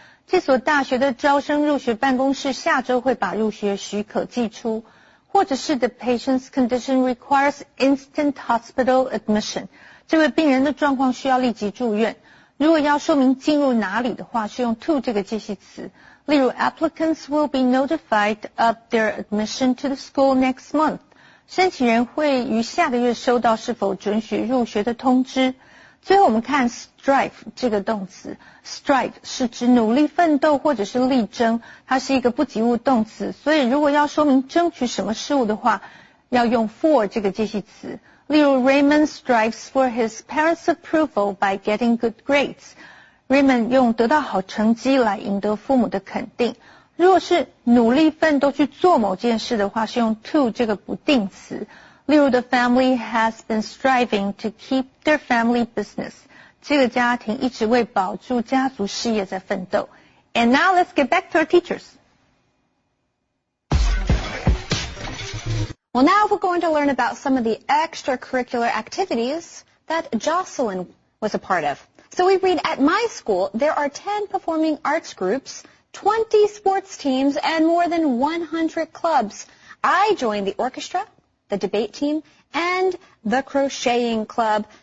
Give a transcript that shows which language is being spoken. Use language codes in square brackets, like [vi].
[zh] 这所大学的招生入学办公室下周会把入学许可寄出。或者是 [en] the patient's condition requires instant hospital admission. [zh] 这位病人的状况需要立即住院。如果要说明进入哪里的话，是用 to 这个介系词。例如 , [en] applicants will be notified of their admission to the school next month. [zh] 申请人会于下个月收到是否准许入学的通知。最后我们看 strive 这个动词 strive 是指努力奋斗或者是力争它是一个不及物动词所以如果要说明争取什么事物的话要用 for 这个介系词例如 [en] Raymond strives for his parents' approval by getting good grades [zh] Raymond 用得到好成绩来赢得父母的肯定如果是努力奋斗去做某件事的话是用 to 这个不定词例如 [en] the family has been striving to keep their family business [zh] 这个家庭一直为保住家族事业在奋斗 [en] And now let's get back to our teachers Well now we're going to learn about some of the extracurricular activities that Jocelyn was a part of So we read at my school there are 10 performing arts groups 20 sports teams and more than 100 clubs I joined the orchestrathe debate team, and the crocheting club.